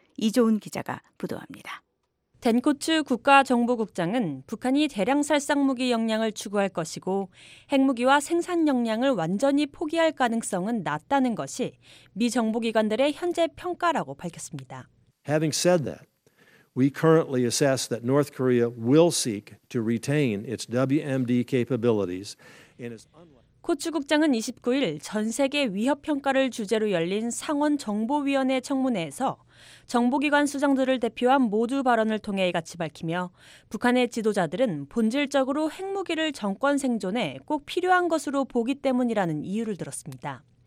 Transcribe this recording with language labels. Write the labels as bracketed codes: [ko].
[ko] 이조은 기자가 보도합니다. 덴코츠 국가정보국장은 북한이 대량 살상무기 역량을 추구할 것이고 핵무기와 생산 역량을 완전히 포기할 가능성은 낮다는 것이 미 정보기관들의 현재 평가라고 밝혔습니다. [en] Having said that, We currently assess that North Korea will seek to retain its WMD capabilities. [ko] 코츠 국장은 29일 전 세계 위협 평가를 주제로 열린 상원 정보위원회 청문회에서 정보기관 수장들을 대표한 모두 발언을 통해 이같이 밝히며 북한의 지도자들은 본질적으로 핵무기를 정권 생존에 꼭 필요한 것으로 보기 때문이라는 이유를 들었습니다.